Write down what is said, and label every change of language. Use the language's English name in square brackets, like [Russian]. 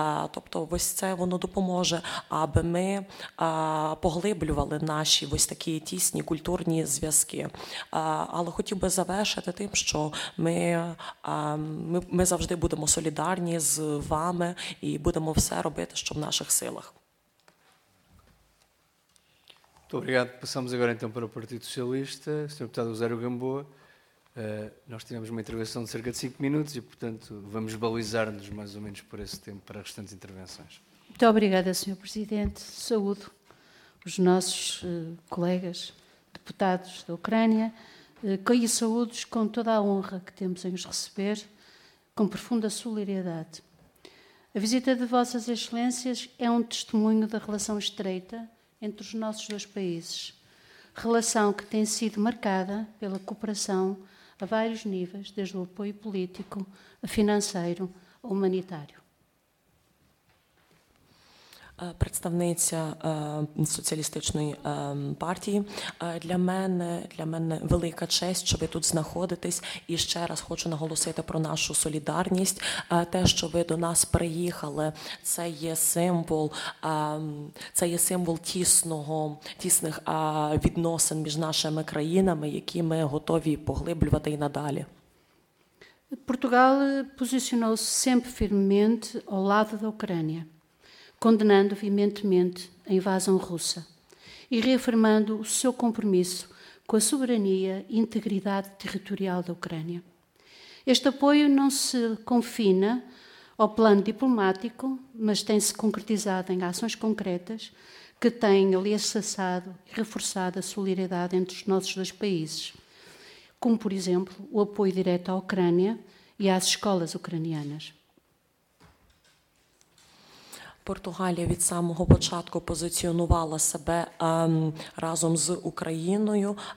[Ukrainian] Тобто ось це воно допоможе, аби ми поглиблювали наші ось такі тісні культурні зв'язки. Але хотів би завершити тим, що ми завжди будемо солідарні з вами і будемо все робити, щоб наших сил. [Portuguese] Muito obrigado. Passamos agora então para o Partido Socialista. Sr. Deputado Rosário Gamboa, Nós tivemos uma intervenção de cerca de 5 minutos e, portanto, vamos balizar-nos mais ou menos por esse tempo para as restantes intervenções. Muito obrigada, Sr. Presidente. Saúdo os nossos colegas deputados da Ucrânia. E saúdos com toda a honra que temos em os receber, com profunda solidariedade. A visita de Vossas Excelências é um testemunho da relação estreita entre os nossos dois países, relação que tem sido marcada pela cooperação a vários níveis, desde o apoio político, a financeiro, a humanitário. [Ukrainian] Представниця соціалістичної партії. Для мене велика честь, що ви тут знаходитесь. І ще раз хочу наголосити про нашу солідарність. Те, що ви до нас приїхали, це є символ тісних відносин між нашими країнами, які ми готові поглиблювати і надалі. Португал позиціонувався [Portuguese] sempre firmemente ao lado da Ucrânia, condenando veementemente a invasão russa e reafirmando o seu compromisso com a soberania e integridade territorial da Ucrânia. Este apoio não se confina ao plano diplomático, mas tem-se concretizado em ações concretas que têm alicerçado e reforçado a solidariedade entre os nossos dois países, como, por exemplo, o apoio direto à Ucrânia e às escolas ucranianas. [Ukrainian] Португалія від самого початку позиціонувала себе разом з Україною.